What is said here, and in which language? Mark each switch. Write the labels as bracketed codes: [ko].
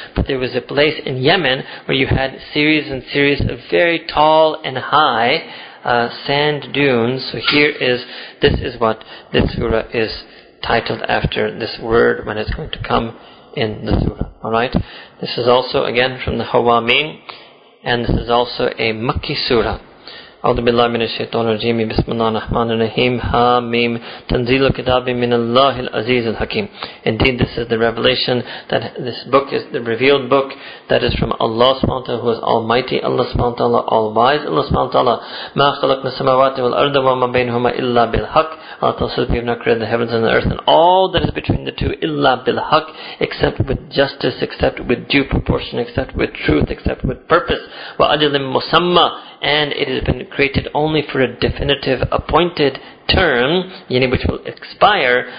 [en] But there was a place in Yemen where you had series and series of very tall and high sand dunes. So this is what this surah is titled after, this word when it's going to come in the surah. Alright, this is also again from the Hawameen, and this is also a Makki surah. [ar] أعوذ بالله من الشيطان الرجيم بسم الله الرحمن الرحيم حميم تنزيل الكتاب من الله العزيز الحكيم. [en] Indeed, this is the revelation, that this book is the revealed book that is from Allah SWT, who is Almighty Allah SWT, All Wise Allah SWT. [ar] ما خلقنا السماوات والأرض وما بينهما إلا بالحق. [en] Allah tells us, we have not created the heavens and the earth and all that is between the two, [ar] إلا بالحق, [en] except with justice, except with due proportion, except with truth, except with purpose. [ar] وأجل مسمى, [en] and it has been created only for a definitive appointed term, yani which will expire.